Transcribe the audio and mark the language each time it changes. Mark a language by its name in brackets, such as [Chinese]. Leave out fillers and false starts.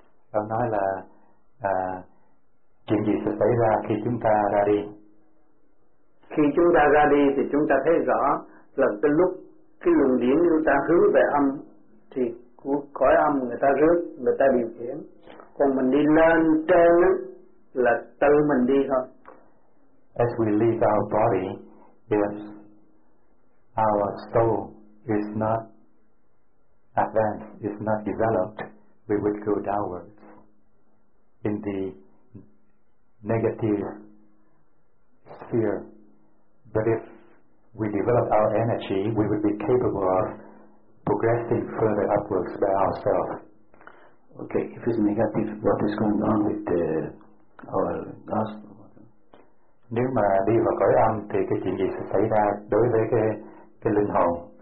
[Vietnamese] Ông nói là chuyện gì sẽ xảy ra khi chúng ta ra đi? Khi chúng ta ra đi thì chúng ta thấy rõ là cái lúc cái luồng điển chúng ta hướng về âm thì của cõi âm người ta rước, người ta điều khiển. Còn mình đi lên trên là tự mình đi thôi. [English] As we leave our body, yes, our soul is not advanced, is not developed, we would go downwards in the negative sphere. But if we develop our energy, we would be capable of progressing further upwards by ourselves. Okay, if it's negative, what is going on with our gospel? [Vietnamese] Nếu mà đi vào cõi âm thì cái chuyện gì sẽ xảy ra đối với cái linh hồn?